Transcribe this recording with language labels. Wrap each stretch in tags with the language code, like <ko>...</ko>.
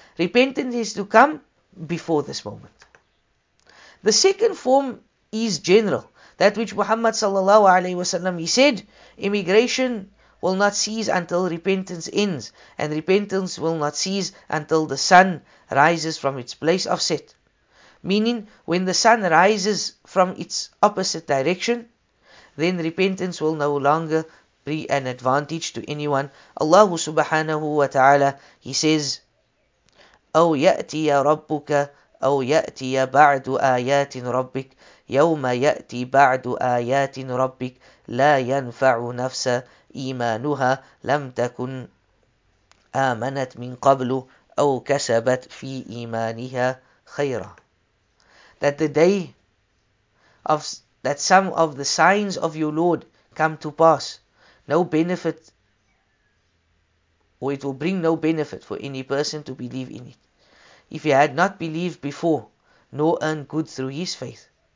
<en>Repentance is to come before this moment. The second form is general, that which Muhammad sallallahu alayhi wa sallam, he said, immigration will not cease until repentance ends, and repentance will not cease until the sun rises from its place of set. Meaning, when the sun rises from its opposite direction, then repentance will no longer be an advantage to anyone. Allah subhanahu wa ta'ala, he says,</en> <ar>أو يأتي ربك أو يأتي بعد آيات ربك يوم يأتي بعد آيات ربك لا ينفع نفس إيمانها لم تكن آمنت من قبل أو كسبت في إيمانها خيرا.</ar> <en>That the day of that some of the signs of your Lord come to pass, no benefit, or it will bring no benefit for any person to believe in it, if he had not believed before, nor earned good through his faith.</en>